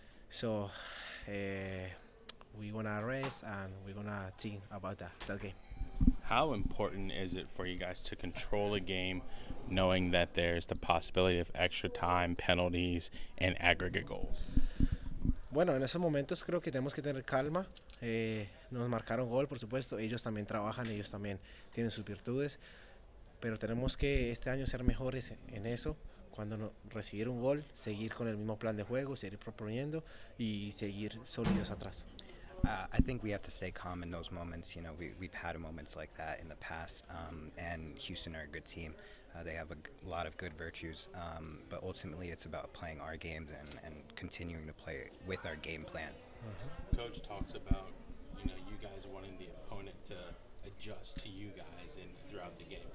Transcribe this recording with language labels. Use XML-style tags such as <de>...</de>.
<en>So we wanna rest and we wanna think about that game. How important is it for you guys to control a game, knowing that there's the possibility of extra time, penalties, and aggregate goals?</en> <es>Bueno, en esos momentos creo que tenemos que tener calma. Nos marcaron gol, por supuesto. Ellos también trabajan, ellos también tienen sus virtudes. Pero tenemos que este año ser mejores en eso. Cuando recibir un gol, seguir con el mismo plan de juego, seguir proponiendo y seguir sólidos atrás.</es> <en>I think we have to stay calm in those moments. You know, we've had moments like that in the past, and Houston are a good team. They have a lot of good virtues, but ultimately it's about playing our games and continuing to play with our game plan. Uh-huh. Coach talks about, you know, you guys wanting the opponent to adjust to you guys and throughout the game.</en>